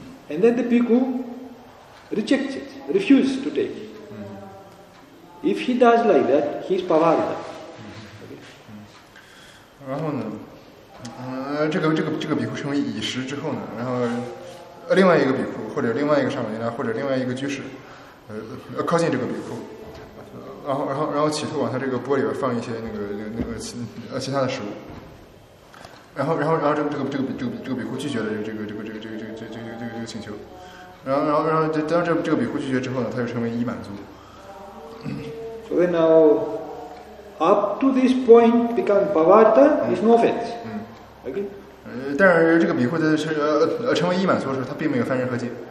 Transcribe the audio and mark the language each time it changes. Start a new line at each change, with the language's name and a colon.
English: And then the bhikkhu rejects it, refuses to take. If he does like that, he is pavarita. Okay?
Chinese: 这个比丘成为已食之后呢，然后另外一个比丘或者另外一个沙弥尼或者另外一个居士，靠近这个比丘，然后企图往他这个钵里边放一些其他的食物，然后这个比丘拒绝了这个请求，然后当这个比丘拒绝之后呢，他就成为已满足。
English: So then now, up to this point, become pavarta is no offense.
Chinese: 但是这个比丘成为已满足的时候，他并没有犯任何戒。